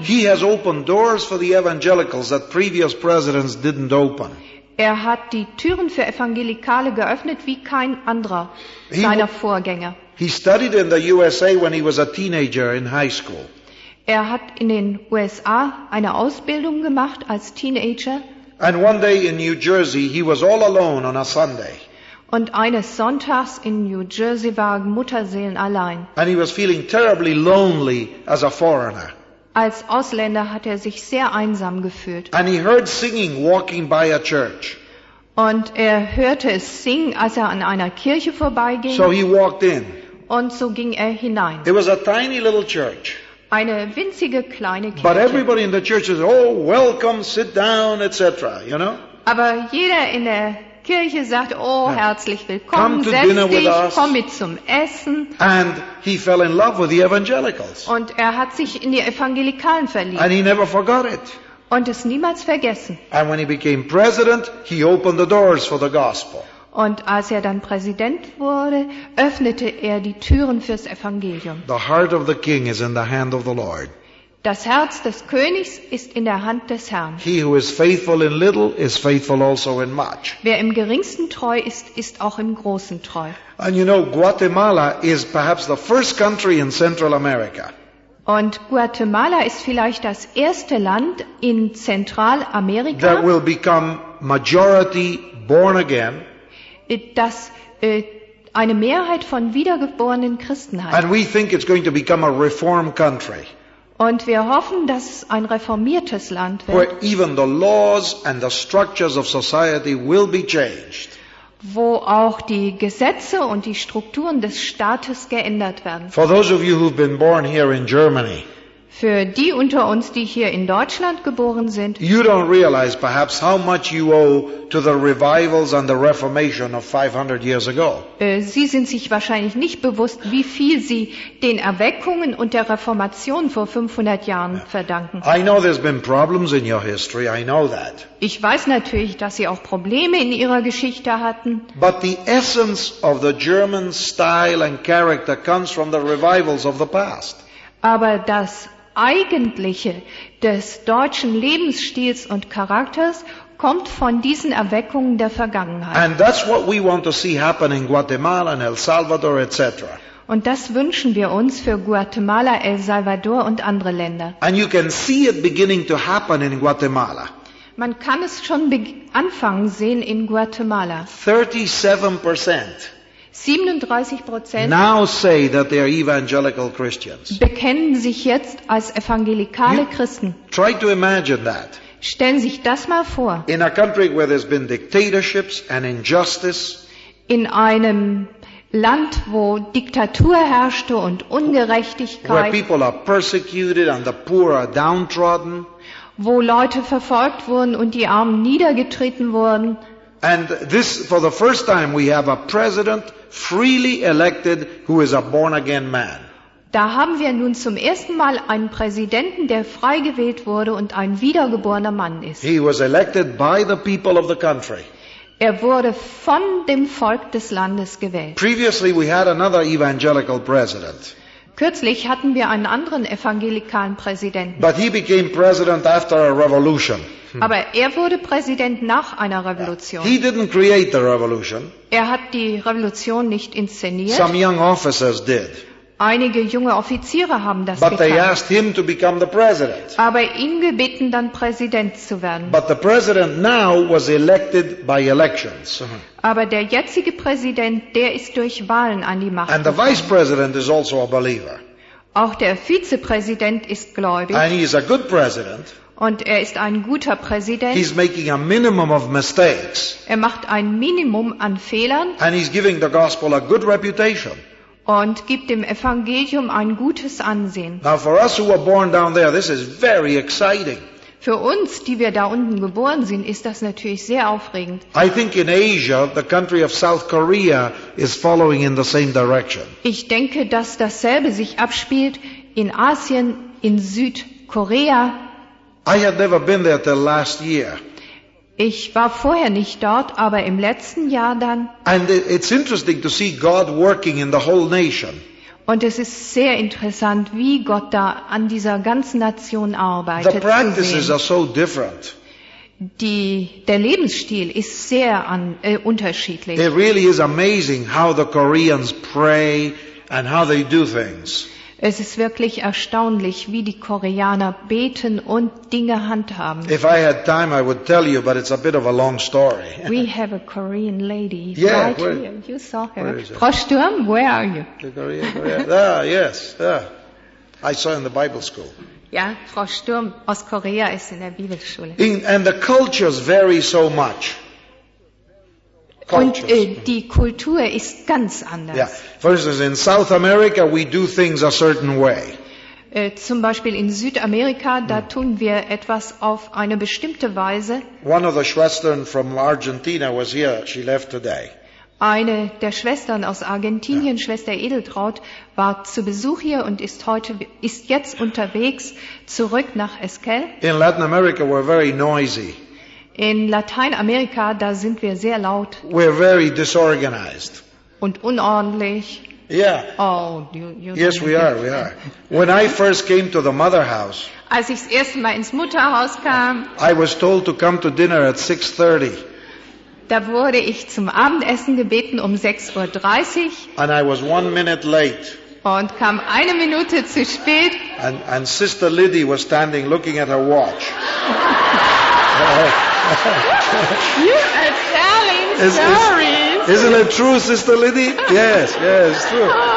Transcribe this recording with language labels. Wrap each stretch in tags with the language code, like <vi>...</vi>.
<en>He has opened doors for the evangelicals that previous presidents didn't open.</en> <de>Er hat die Türen für Evangelikale geöffnet wie kein anderer seiner Vorgänger.</de> <en>He studied in the USA when he was a teenager in high school.</en> <de>Er hat in den USA eine Ausbildung gemacht als Teenager.</de> <en>And one day in New Jersey he was all alone on a Sunday.</en> <de>Und eines Sonntags in New Jersey war Mutterseelen allein.</de> <en>And he was feeling terribly lonely as a foreigner.</en> <de>Als Ausländer hat er sich sehr einsam gefühlt.</de> <en>And he heard singing walking by a church.</en> <de>Und er hörte es singen, als er an einer Kirche vorbeiging.</de> <en>So he walked in.</en> <de>Und so ging er hinein.</de> <en>It was a tiny little church.</en> <de>Eine winzige kleine Kirche.</de> <en>But everybody in the church said, "Oh, welcome, sit down, etc." You know?</en> <de>Aber jeder in der Kirche sagt, oh, herzlich willkommen, setz dich, komm mit zum Essen.</de> <en>And he fell in love with the evangelicals.</en> <de>Und er hat sich in die Evangelikalen verliebt.</de> <en>And he never forgot it.</en> <de>Und es niemals vergessen.</de> <en>And when he became president, he opened the doors for the gospel.</en> <de>Und als er dann Präsident wurde, öffnete er die Türen fürs Evangelium.</de> <en>The heart of the king is in the hand of the Lord.</en> <de>Das Herz des Königs ist in der Hand des Herrn.</de> <en>He who is faithful in little is faithful also in much.</en> <de>Wer im Geringsten treu ist, ist auch im Großen treu.</de> <en>And you know, Guatemala is perhaps the first country in Central America.</en> <de>Und Guatemala ist vielleicht das erste Land in Zentralamerika,</de> <en>that will become majority born again.</en> <de>Das eine Mehrheit von wiedergeborenen Christen hat.</de> <en>And we think it's going to become a reform country.</en> <de>Und wir hoffen, dass es ein reformiertes Land wird.</de> <en>Where even the laws and the structures of society will be changed.</en> <de>Wo auch die Gesetze und die Strukturen des Staates geändert werden.</de> <en>For those of you who've been born here in Germany.</en> <de>Für die unter uns, die hier in Deutschland geboren sind.</de> <en>You don't realize perhaps how much you owe to the revivals and the reformation of 500 years ago.</en> <de>Sie sind sich wahrscheinlich nicht bewusst, wie viel Sie den Erweckungen und der Reformation vor 500 Jahren verdanken.</de> <en>I know there's been problems in your history, I know that.</en> <de>Ich weiß natürlich, dass Sie auch Probleme in Ihrer Geschichte hatten.</de> <en>But the essence of the German style and character comes from the revivals of the past.</en> <de>Aber das Eigentliche des deutschen Lebensstils und Charakters kommt von diesen Erweckungen der Vergangenheit.</de> <en>And that's what we want to see happen in Guatemala and El Salvador, etc.</en> <de>Und das wünschen wir uns für Guatemala, El Salvador und andere Länder.</de> <en>And you can see it beginning to happen in Guatemala.</en> <de>Man kann es schon anfangen sehen in Guatemala.</de> <en>37%.</en> <de>37%</de> <en>now say that they are evangelical Christians.</en> <de>Bekennen sich jetzt als evangelikale Christen.</de> <en>Try to imagine that.</en> <de>Stellen sich das mal vor.</de> <en>In a country where there's been dictatorships and injustice.</en> <de>In einem Land, wo Diktatur herrschte und Ungerechtigkeit.</de> <en>Where people are persecuted and the poor are downtrodden.</en> <de>Wo Leute verfolgt wurden und die Armen niedergetreten wurden.</de> <en>And this, for the first time, we have a president freely elected who is a born-again man.</en> <de>Da haben wir nun zum ersten Mal einen Präsidenten, der frei gewählt wurde und ein wiedergeborener Mann ist.</de> <en>He was elected by the people of the country.</en> <de>Er wurde von dem Volk des Landes gewählt.</de> <en>Previously, we had another evangelical president.</en> <de>Kürzlich hatten wir einen anderen evangelikalen Präsidenten.</de> <en>But he became president after a revolution.</en> <de>Aber er wurde Präsident nach einer Revolution.</de> <en>He didn't create the revolution.</en> <de>Er hat die Revolution nicht inszeniert.</de> <en>Some young officers did.</en> <de>Einige junge Offiziere haben das getan.</de> <en>But they asked him to become the president.</en> <de>Aber ihn gebeten, dann Präsident zu werden.</de> <en>But the president now was elected by elections.</en> <de>Aber der jetzige Präsident, der ist durch Wahlen an die Macht gekommen.</de> <en>And the vice president is also a believer.</en> <de>Auch der Vizepräsident ist gläubig.</de> <en>And he is a good president.</en> <de>Und er ist ein guter Präsident.</de> <en>He's making a minimum of mistakes.</en> <de>Er macht ein Minimum an Fehlern.</de> <en>And he's giving the gospel a good reputation.</en> <de>Und gibt dem Evangelium ein gutes Ansehen.</de> <en>Now for us who were born down there, this is very exciting.</en> <de>Für uns, die wir da unten geboren sind, ist das natürlich sehr aufregend.</de> <en>I think in Asia, the country of South Korea is following in the same direction.</en> <de>Ich denke, dass dasselbe sich abspielt in Asien, in Südkorea.</de> <en>I had never been there till last year.</en> <de>Ich war vorher nicht dort, aber im letzten Jahr dann.</de> <en>And it's interesting to see God working in the whole nation.</en> <de>Und es ist sehr interessant, wie Gott da an dieser ganzen Nation arbeitet.</de> <en>The practices are so different.</en> <de>Der Lebensstil ist sehr unterschiedlich.</de> <en>It really is amazing how the Koreans pray and how they do things.</en> <de>Es ist wirklich erstaunlich, wie die Koreaner beten und Dinge handhaben.</de> <en>If I had time, I would tell you, but it's a bit of a long story. We have a Korean lady yeah, right where, here. You saw her. Frau Sturm, where are you? Yes. I saw her in the Bible school.</en> <de>Ja, Frau Sturm aus Korea ist in der Bibelschule.</de> <en>And the cultures vary so much.</en> <de>Und die Kultur ist ganz anders.</de> <en>Yeah. For instance, in South America we do things a certain way.</en> <de>Zum Beispiel in Südamerika, da tun wir etwas auf eine bestimmte Weise.</de> <en>One of the Schwestern from Argentina was here. She left today.</en> <de>Eine der Schwestern aus Argentinien, Schwester Edeltraut, war zu Besuch hier und ist jetzt unterwegs zurück nach Esquel.</de> <en>In Latin America we're very noisy.</en> <de>In Lateinamerika, da sind wir sehr laut.</de> <en>We're very disorganized.</en> <de>Und unordentlich.</de> <en>Yeah. Oh, yes, we are. When I first came to the mother house,</en> <de>als ich das erste Mal ins Mutterhaus kam,</de> <en>I was told to come to dinner at 6:30.</en> <de>Da wurde ich zum Abendessen gebeten um 6:30 Uhr.</de> <en>And I was 1 minute late.</en> <de>Und kam eine Minute zu spät.</de> <en>And Sister Liddy was standing looking at her watch. You are telling stories. Isn't it true, Sister Liddy? Yes, it's true.</en>